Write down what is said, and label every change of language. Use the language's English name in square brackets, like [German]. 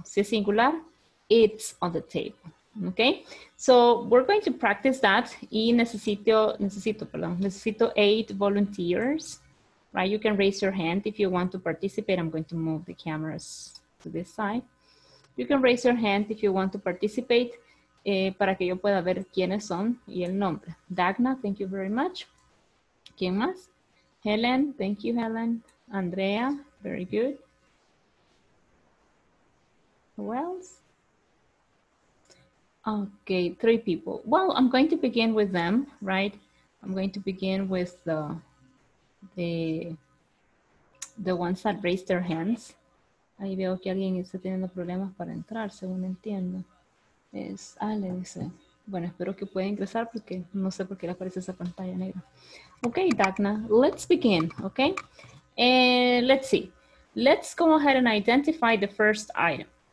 [Spanish] Si es singular, [English] it's on the table, okay? So we're going to practice that. [Spanish] Y necesito [English] 8 volunteers, right? You can raise your hand if you want to participate. I'm going to move the cameras to this side. You can raise your hand if you want to participate. [Spanish] Para que yo pueda ver quiénes son y el nombre. [English] Dagna, thank you very much. [Spanish] ¿Quién más? [English] Helen, thank you, Helen. Andrea, very good. Who else? Okay, 3 people. Well, I'm going to begin with them, right? I'm going to begin with the ones that raised their hands. [Spanish] Ahí veo que alguien está teniendo problemas para entrar, según entiendo. Es Ale, dice. Bueno, espero que pueda ingresar porque no sé por qué le aparece esa pantalla negra. [English] Okay, Dagna, let's begin, okay? Let's see. Let's go ahead and identify the first item.